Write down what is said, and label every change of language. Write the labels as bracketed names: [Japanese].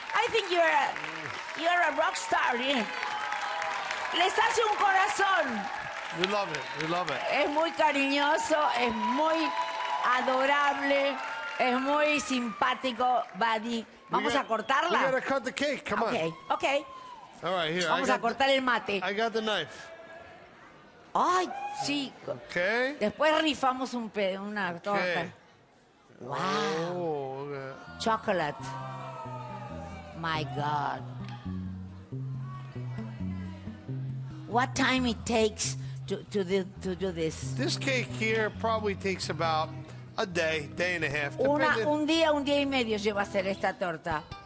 [English] I think you're a rock star. [Spanish] Les hace un corazón. [English] We love it. We love it. [Spanish] Es muy cariñoso, es muy adorable, es muy simpático, buddy. Vamos a cortarla. [English] We gotta cut the cake. Come on. Okay. Okay. All right, here. [Spanish] Vamos a cortar el mate. [English] I got the knife. [Spanish] Ay, chico. [English] Okay. [Spanish] Después rifamos una torta. [English] Okay. Wow. Chocolate. My God. What time it takes to do this? This cake here probably takes about a day and a half. [Spanish] Un día y medio lleva a hacer esta torta.